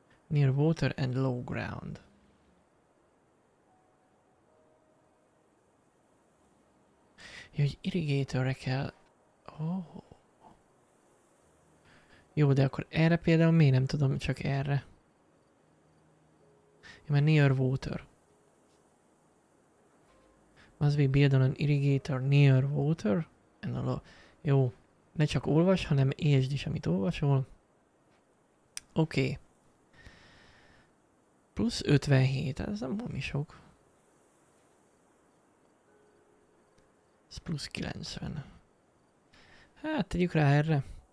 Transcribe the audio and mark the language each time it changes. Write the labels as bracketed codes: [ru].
[en] Near water and low ground. [hu] Jaj, hogy irrigatorre kell... Oh. Jó, de akkor erre például miért nem tudom, csak erre? Ja, mert [en] near water. Must be build on an irrigator near water? [hu] Jó, ne csak olvas, hanem értsd is, amit olvasol. Oké. Okay. Plusz 57, ez nem valami sok. Ez plusz 90. Hát, tegyük rá erre.